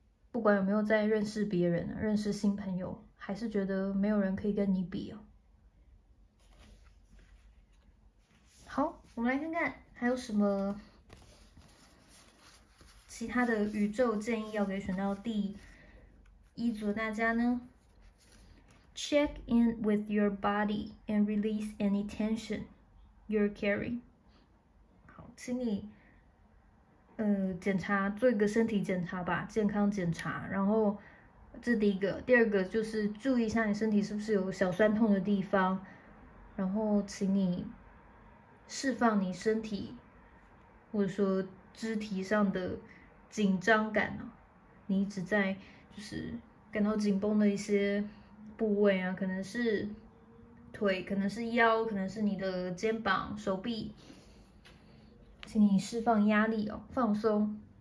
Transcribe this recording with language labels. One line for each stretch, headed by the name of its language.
Chinese: 不管有没有在认识别人、认识新朋友，还是觉得没有人可以跟你比哦。好，我们来看看还有什么其他的宇宙建议要给选到第一组大家呢？
English: Check in with your body and release any tension you're carrying.
Chinese: 好，请你检查，做一个身体检查吧，健康检查。然后这第一个，第二个就是注意一下你身体是不是有小酸痛的地方，然后请你释放你身体或者说肢体上的紧张感啊，你一直在就是感到紧绷的一些部位啊，可能是腿，可能是腰，可能是你的肩膀、手臂，请你释放压力哦，放松。